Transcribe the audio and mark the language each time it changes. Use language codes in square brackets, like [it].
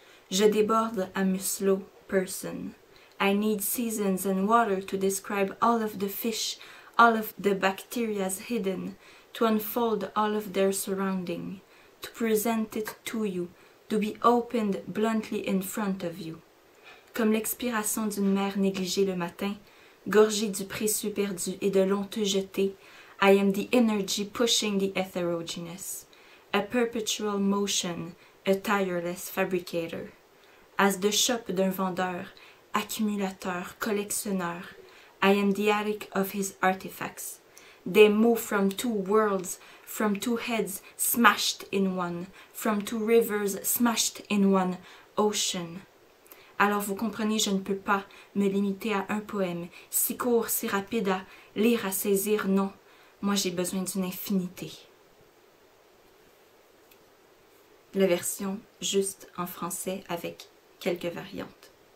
[fr] Je déborde, [en] I'm a slow person. I need seasons and water to describe all of the fish, all of the bacteria's hidden, to unfold all of their surrounding, to present it to you, to be opened bluntly in front of you. [fr] Comme l'expiration d'une mère négligée le matin, gorgée du précieux perdu et de l'honteux jeté, [en] I am the energy pushing the heterogeneous, a perpetual motion, a tireless fabricator. As the shop [fr] d'un vendeur, accumulateur, collectionneur, [en] I am the attic of his artifacts. They move from two worlds, from two heads smashed in one, from two rivers smashed in one ocean. [fr] Alors vous comprenez, je ne peux pas me limiter à un poème, si court, si rapide à lire, à saisir, non. Moi, j'ai besoin d'une infinité. La version juste en français avec quelques variantes.